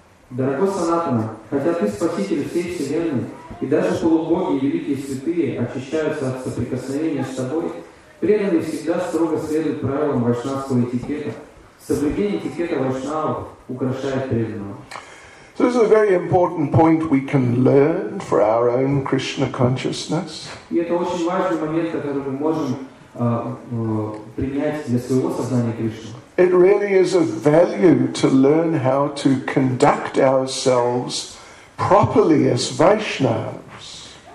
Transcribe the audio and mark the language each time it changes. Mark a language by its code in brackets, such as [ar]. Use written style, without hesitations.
[ru] Дорогой Санатана, хотя ты спаситель всей Вселенной, и даже полубоги и великие святые очищаются от соприкосновения с тобой, преданные всегда строго следуют правилам вайшнавского этикета. Соблюдение этикета вайшнава украшает преданного. [en] So this is a very important point we can learn for our own Krishna consciousness. [ru] И это очень важный момент, который мы можем принять для своего сознания Кришны. [en] It really is of value to learn how to conduct ourselves properly as Vaishnavas.